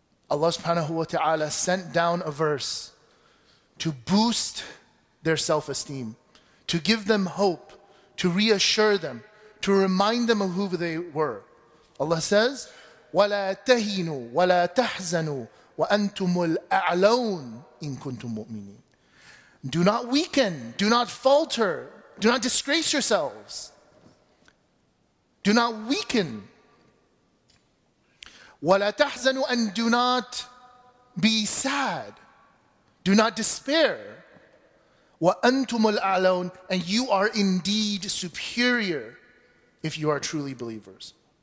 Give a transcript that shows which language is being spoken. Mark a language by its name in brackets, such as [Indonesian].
[English] Allah subhanahu wa ta'ala sent down a verse to boost their self-esteem, to give them hope, to reassure them, to remind them of who they were. Allah says, [Arabic] وَلَا تَهِنُوا وَلَا تَحْزَنُوا وأنتم الأعلون إن كنتم مؤمنين. [English] Do not weaken. Do not falter. Do not disgrace yourselves. Do not weaken. [Arabic] ولا تحزنوا [English] and do not be sad. Do not despair. [Arabic] وأنتم الأعلون [English] and you are indeed superior if you are truly believers.